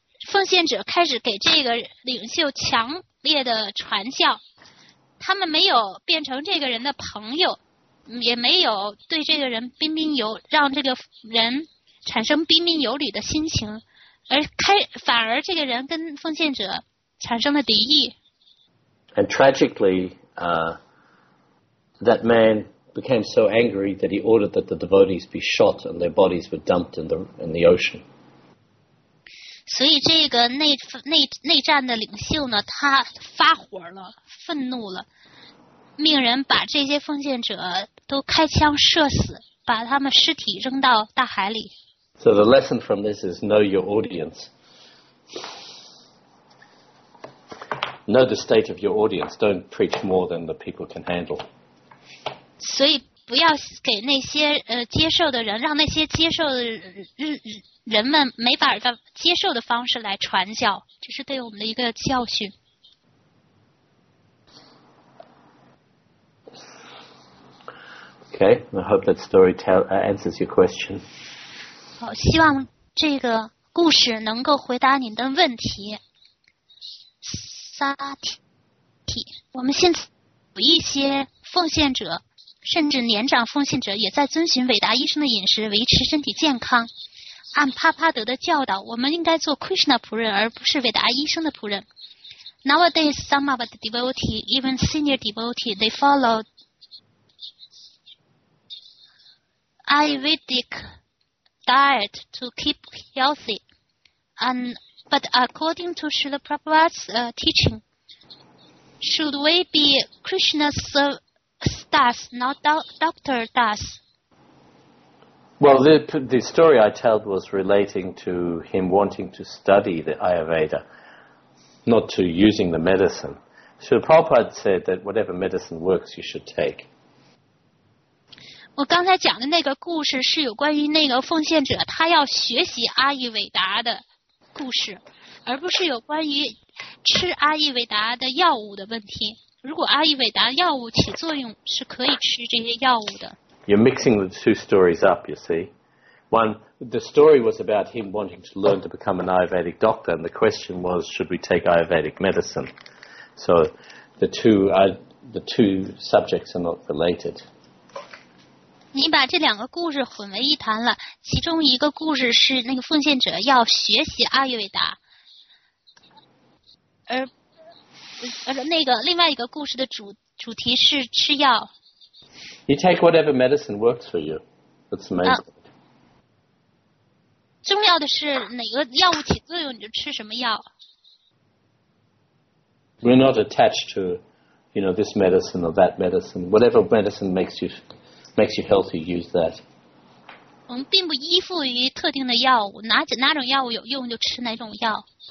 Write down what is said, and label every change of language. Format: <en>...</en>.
<zh>奉献者开始给这个领袖强烈的传教，他们没有变成这个人的朋友，也没有对这个人彬彬有让这个人产生彬彬有礼的心情，反而这个人跟奉献者产生了敌意。</zh> <en>And tragically, that man became so angry that he ordered that the devotees be shot and their bodies were dumped in the ocean.</en> <zh>所以这个内战的领袖呢，他发火了，愤怒了，命人把这些奉献者都开枪射死，把他们尸体扔到大海里。</zh> <en>So the lesson from this is know your audience. Know the state of your audience. Don't preach more than the people can handle.</en> <zh>所以不要给那些接受的人，让那些接受的人们没法接受的方式来传教，这是对我们的一个教训。</zh> <en>Okay, I hope that story answers your question.</en> <zh>好，希望这个故事能够回答您的问题。萨提，我们现在有一些奉献者甚至年长奉献者也在遵循伟大医生的饮食，维持身体健康。按帕帕德的教导，我们应该做 Krishna 仆人，而不是伟大医生的仆人。</zh> <en>Nowadays, some of the devotees, even senior devotees, they follow Ayurvedic diet to keep healthy. But according to Srila Prabhupada's teaching, should we be Krishna's staff, not Dr. Das? Well, the story I told was relating to him wanting to study the Ayurveda, not to using the medicine. So Prabhupada said that whatever medicine works, you should take.</en> <zh>我刚才讲的那个故事是有关于那个奉献者他要学习阿育吠达的故事，而不是有关于吃阿育吠达的药物的问题。如果阿育吠达药物起作用，是可以吃这些药物的。</zh> <en>You're mixing the two stories up, you see. One, the story was about him wanting to learn to become an Ayurvedic doctor, and the question was, should we take Ayurvedic medicine? So the two subjects are not related.</en> <zh>你把这两个故事混为一谈了，其中一个故事是那个奉献者要学习阿育吠达，而那个另外一个故事的主题是吃药。</zh> <en>You take whatever medicine works for you. That's amazing.</en> <zh>重要的是哪个药物起作用你就吃什么药。</zh> <en>We're not attached to, you know, this medicine or that medicine. Whatever medicine makes you healthy, use that.</en> <zh>我们并不依附于特定的药物，哪种药物有用就吃哪种药。</zh>